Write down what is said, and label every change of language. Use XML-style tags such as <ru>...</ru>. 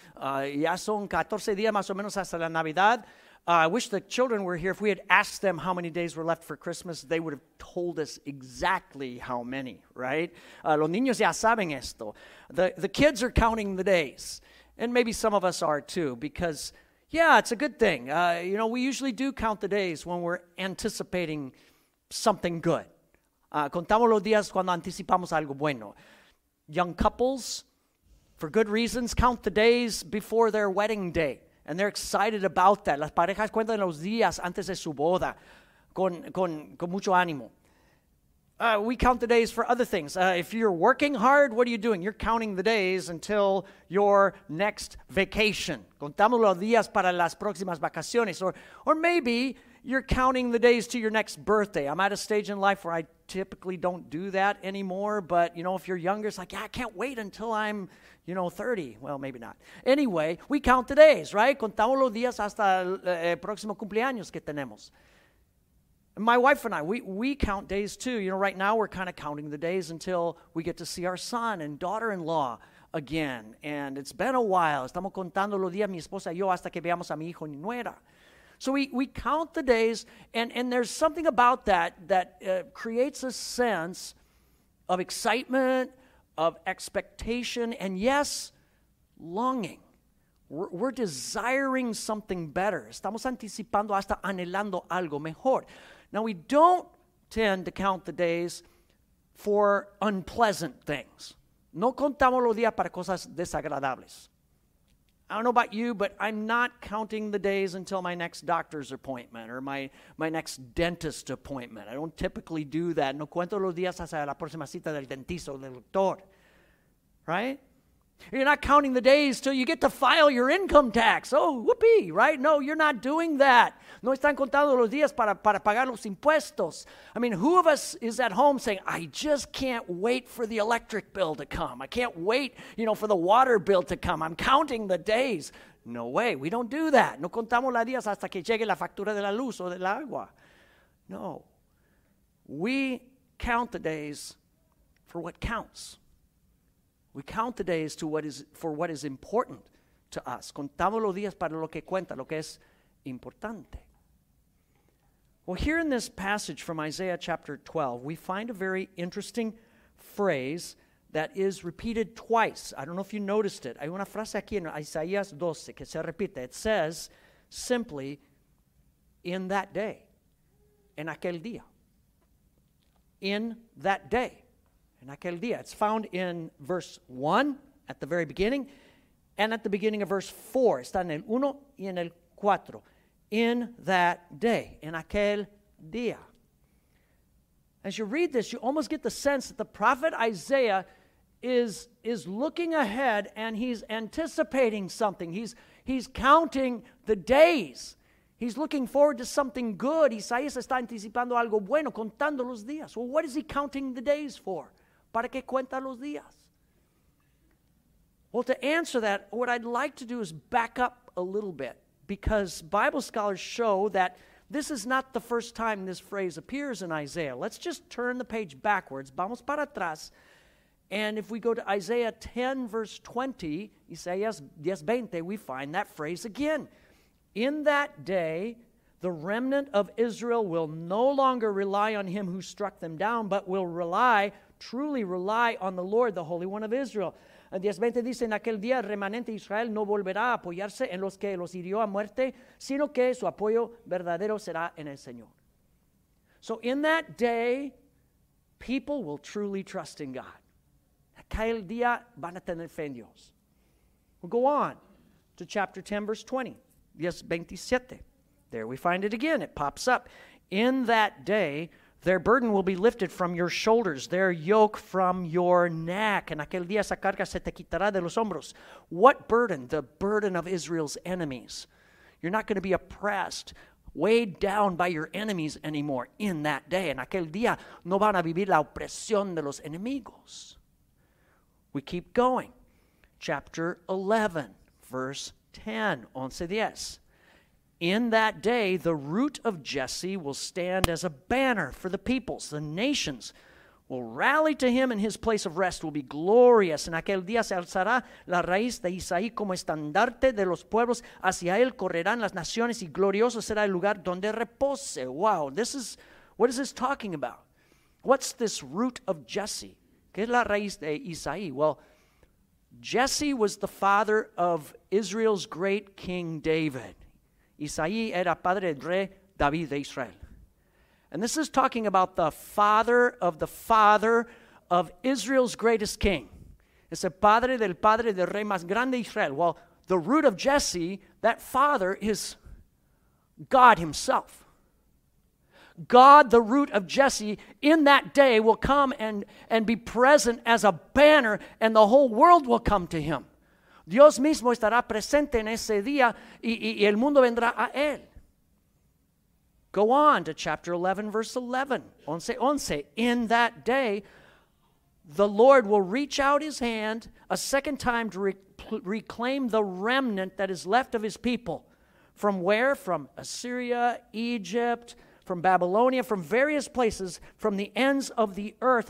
<es>Ya son 14 días más o menos hasta la Navidad.</es> <en>I wish the children were here. If we had asked them how many days were left for Christmas, they would have told us exactly how many, right?</en> <es>Los niños ya saben esto.</es> <en>The kids are counting the days, and maybe some of us are too, because, yeah, it's a good thing. You know, we usually do count the days when we're anticipating something good.</en> <es>Contamos los días cuando anticipamos algo bueno.</es> <en>Young couples, for good reasons, count the days before their wedding day. And they're excited about that.</en> <es>Las parejas cuentan los días antes de su boda con mucho ánimo.</es> <en>We count the days for other things. If you're working hard, what are you doing? You're counting the days until your next vacation.</en> <es>Contamos los días para las próximas vacaciones.</es> <en>Or maybe you're counting the days to your next birthday. I'm at a stage in life where I typically don't do that anymore. But, you know, if you're younger, it's like, yeah, I can't wait until I'm, you know, 30. Well, maybe not. Anyway, we count the days, right?</en> <es>Contamos los días hasta el próximo cumpleaños que tenemos.</es> <en>My wife and I, we count days too. You know, right now we're kind of counting the days until we get to see our son and daughter-in-law again. And it's been a while.</en> <es>Estamos contando los días, mi esposa y yo, hasta que veamos a mi hijo y nuera. So we count the days, and there's something about that that creates a sense of excitement, of expectation, and yes, longing.</es> <en>We're desiring something better.</en> <es>Estamos anticipando hasta anhelando algo mejor.</es> <en>Now, we don't tend to count the days for unpleasant things.</en> <es>No contamos los días para cosas desagradables.</es> <en>I don't know about you, but I'm not counting the days until my next doctor's appointment or my next dentist appointment. I don't typically do that.</en> <es>No cuento los días hasta la próxima cita del dentista o del doctor.</es> <en>Right? You're not counting the days till you get to file your income tax. Oh, whoopee, right? No, you're not doing that.</en> <es>No están contando los días para pagar los impuestos.</es> <en>I mean, who of us is at home saying, I just can't wait for the electric bill to come. I can't wait, you know, for the water bill to come. I'm counting the days. No way, we don't do that.</en> <es>No contamos los días hasta que llegue la factura de la luz o del agua.</es> <en>No, we count the days for what counts. We count the days for what is important to us.</en> <es>Contamos los días para lo que cuenta, lo que es importante.</es> <en>Well, here in this passage from Isaiah chapter 12, we find a very interesting phrase that is repeated twice. I don't know if you noticed it.</en> <es>Hay una frase aquí en Isaías 12 que se repite.</es> <en>It says simply, in that day,</en> <es>en aquel día,</es> <en>in that day.</en> <es>En aquel día.</es> <en>It's found in verse 1 at the very beginning and at the beginning of verse 4.</en> <es>Está en el 1 y en el 4.</es> <en>In that day.</en> <es>En aquel día.</es> <en>As you read this, you almost get the sense that the prophet Isaiah is looking ahead and he's anticipating something. He's counting the days. He's looking forward to something good.</en> <es>Isaías está anticipando algo bueno, contando los días.</es> <en>Well, what is he counting the days for?</en> <es>¿Para qué cuenta los días?</es> <en>Well, to answer that, what I'd like to do is back up a little bit, because Bible scholars show that this is not the first time this phrase appears in Isaiah. Let's just turn the page backwards.</en> <es>Vamos para atrás.</es> <en>And if we go to Isaiah 10, verse 20, Isaías 10, 20, we find that phrase again. In that day, the remnant of Israel will no longer rely on him who struck them down, but will truly rely on the Lord, the Holy One of Israel.</en> <es>10:20 dice, en aquel día remanente Israel no volverá a apoyarse en los que los hirió a muerte, sino que su apoyo verdadero será en el Señor.</es> <en>So in that day, people will truly trust in God.</en> <es>Aquel día van a tener fe en Dios.</es> <en>We'll go on to chapter 10, verse 20. 10:27. There we find it again. It pops up. In that day, their burden will be lifted from your shoulders, their yoke from your neck.</en> <es>En aquel día esa carga se te quitará de los hombros.</es> <en>What burden? The burden of Israel's enemies. You're not going to be oppressed, weighed down by your enemies anymore in that day.</en> <es>En aquel día no van a vivir la opresión de los enemigos.</es> <en>We keep going. Chapter 11, verse 10, 11:10. In that day, the root of Jesse will stand as a banner for the peoples. The nations will rally to him, and his place of rest will be glorious.</en> <es>En aquel día se alzará la raíz de Isaí como estandarte de los pueblos. Hacia él correrán las naciones, y glorioso será el lugar donde repose.</es> <en>Wow, what is this talking about? What's this root of Jesse?</en> <es>¿Qué es la raíz de Isaí?</es> <en>Well, Jesse was the father of Israel's great King David.</en> <es>Isaí era padre del rey David de Israel.</es> <en>And this is talking about the father of Israel's greatest king.</en> <es>Es el padre del rey más grande de Israel.</es> <en>Well, the root of Jesse, that father, is God himself. God, the root of Jesse, in that day will come and be present as a banner, and the whole world will come to him.</en> <es>Dios mismo estará presente en ese día y el mundo vendrá a él.</es> <en>Go on to chapter 11, verse 11. 11:11. In that day, the Lord will reach out his hand a second time to reclaim the remnant that is left of his people. From where? From Assyria, Egypt, from Babylonia, from various places, from the ends of the earth.</en>